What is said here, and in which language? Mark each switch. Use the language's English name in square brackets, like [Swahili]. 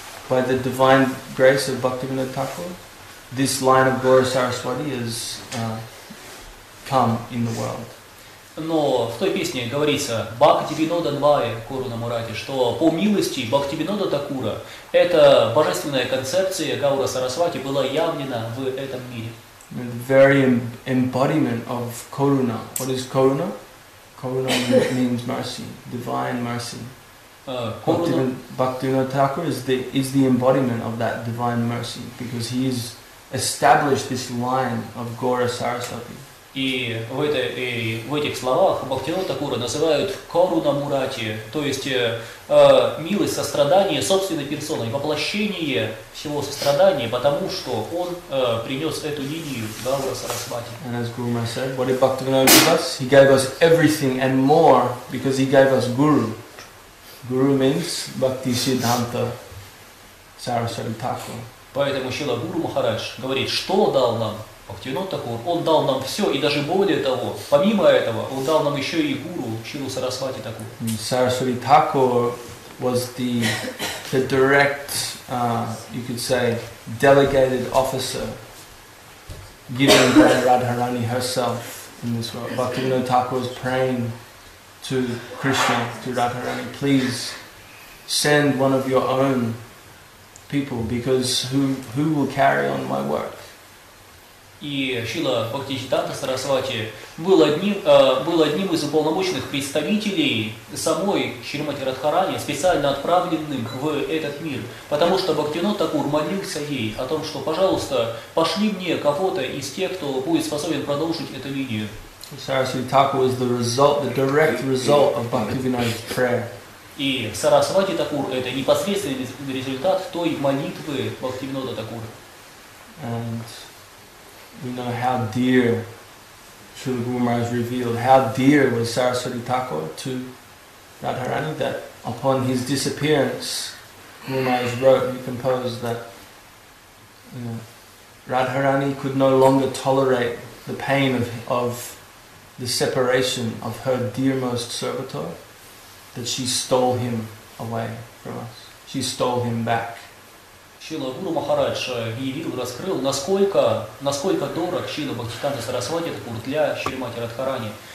[English] By the divine grace of Bhaktivinoda Thakur, this line of Gaura Saraswati has come in the world. [Russian] Но в той песне говорится «Бхактивинода Двая Куруна Мурати», что по милости Бхактивинода Такура, эта божественная концепция Гаура Сарасвати была явлена в этом мире. [English] The very embodiment of Karuna. What is Karuna? Karuna means mercy, divine mercy. Bhaktivinoda Thakur is the embodiment of that divine mercy because he has established this line of Gaura Sarasvati. [Russian] И в этой в этих словах Бхактивинода Такура называют Каруна Мурати, то есть милость, сострадание собственной персоной, воплощение всего сострадания, потому что он принес эту линию Гаура Сарасвати. [English] And as Guru Maharaj said, what did Bhaktivinoda give us? He gave us everything and more because he gave us Guru. Guru means Bhakti Siddhanta Sarasvati Thakur. [Russian] Поэтому Шрила Гуру Махарадж говорит, что дал нам Бхактивинода Такур. Он дал нам все, и даже более того, помимо этого, он дал нам еще и гуру Шрилу Сарасвати Такур. [English] Сарасвати Такур was the direct, you could say, delegated officer given by Radharani herself in this world. Бхактивинода Такур was praying to Krishna, to Radharani, please send one of your own people, because who will carry on my work? [Russian] И Шрила Бхактисиддханта Сарасвати был одним из уполномоченных представителей самой Шримати Радхарани, специально отправленным в этот мир, потому что Бхактивинода Такур молился ей о том, что, пожалуйста, пошли мне кого-то из тех, кто будет способен продолжить эту линию. [English] Sarasvati Thakur was the result, the direct result of Bhaktivinoda's prayer. [Russian] И Сарасвати Такур – это непосредственный результат той молитвы Бхактивинода Такура. [English] And we know how dear Srila Guru Maharaj revealed, how dear was Sarasvati Thakur to Radharani, that upon his disappearance, Guru Maharaj wrote, he composed that, you know, Radharani could no longer tolerate the pain of the separation of her dearmost servitor, that she stole him away from us. She stole him back. [Russian] Шрила Гуру Махарадж явил, раскрыл, насколько дорог Шрила Бхактисиддханта Сарасвати Такур для Шримати Радхарани.